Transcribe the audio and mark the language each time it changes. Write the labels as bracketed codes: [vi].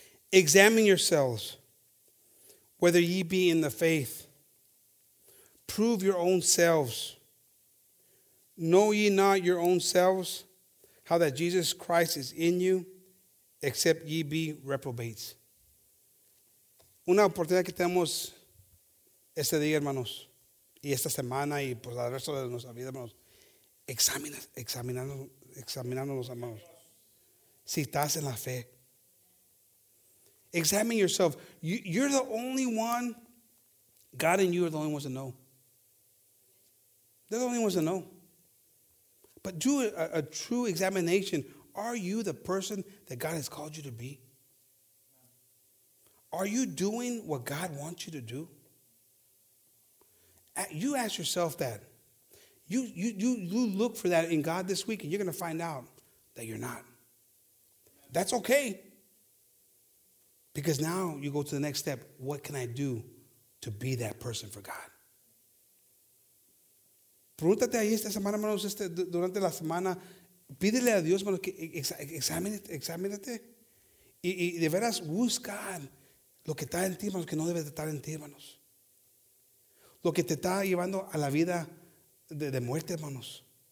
[en] Examine yourselves, whether ye be in the faith. Prove your own selves. Know ye not your own selves, how that Jesus Christ is in you, except ye be reprobates. [es] Una oportunidad que tenemos este día, hermanos, y esta semana, y pues el resto de nuestra vida, hermanos, examinándonos, hermanos, si estás en la fe. [en] Examine yourself. You're the only one, God and you are the only ones that know. They're the only ones that know. But do a true examination. Are you the person that God has called you to be? Are you doing what God wants you to do? You ask yourself that. You look for that in God this week, and you're going to find out that you're not. That's okay. Because now you go to the next step. What can I do to be that person for God? [es] Pregúntate ahí esta semana, hermanos, durante la semana. Pídele a Dios, hermanos, que examínate. Y de veras, busca lo que está en ti, hermanos, que no debe de estar en ti, hermanos. Lo que te está llevando a la vida de muerte, hermanos.